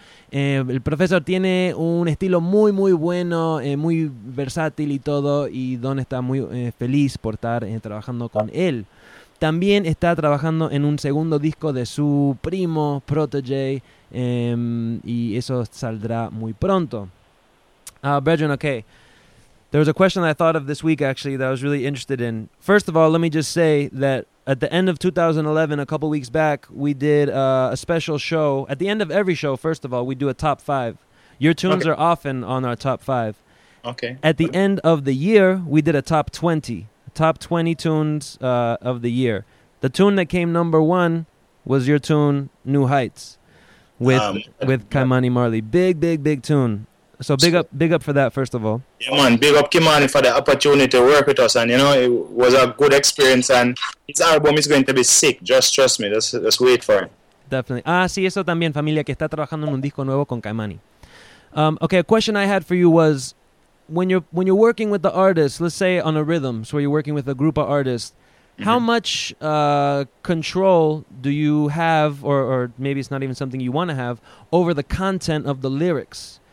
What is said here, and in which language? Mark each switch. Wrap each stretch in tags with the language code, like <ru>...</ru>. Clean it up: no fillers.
<es>El Professor tiene un estilo muy, muy bueno, muy versátil y todo, y Don está muy feliz por estar trabajando con él. También está trabajando en un segundo disco de su primo, Protege, y eso saldrá muy pronto.</es> <en>Brethren, okay. There was a question that I thought of this week, actually, that I was really interested in. First of all, let me just say that at the end of 2011, a couple weeks back, we did a special show. At the end of every show, first of all, we do a top five. Your tunes are often on our top five. Okay. At the end of the year, we did a top 20. Top 20 tunes of the year. The tune that came number one was your tune, New Heights, with Kimani Marley. Big, big, big tune. So big up for that, first of all. Yeah, man, big up Kimani for the opportunity to work with us. And, you know, it was a good experience. And his album is going to be sick. Just trust me. Just wait for it.</en> <es>Definitely. Ah, sí, eso también, familia, que está trabajando en un disco nuevo con Kimani.</es> <en>Okay, a question I had for you was, when you're working with the artists, let's say on a rhythm, so you're working with a group of artists, mm-hmm. how much control do you have, or maybe it's not even something you want to have, over the content of the lyrics?</en>